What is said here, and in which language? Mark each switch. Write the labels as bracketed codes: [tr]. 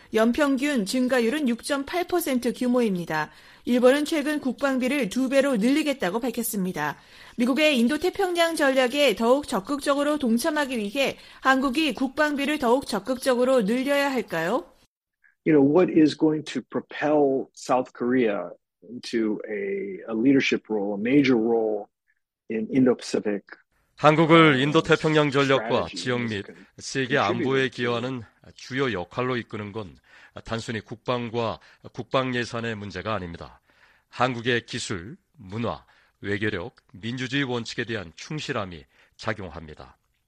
[ko] 연평균 증가율은 6.8% 규모입니다. 일본은 최근 국방비를 2배로 늘리겠다고 밝혔습니다. 미국의 인도태평양 전략에 더욱 적극적으로 동참하기 위해 한국이 국방비를 더욱 적극적으로 늘려야 할까요? [en] You know, what is going to propel South Korea into a leadership role, a major role in Indo-Pacific? [ko] 한국을 인도태평양 전략과 지역 및 세계 안보에 기여하는 주요 역할로 이끄는 건 단순히 국방과 국방 예산의 문제가 아닙니다. 한국의 기술, 문화, 외교력, 민주주의 원칙에 대한 충실함이 작용합니다.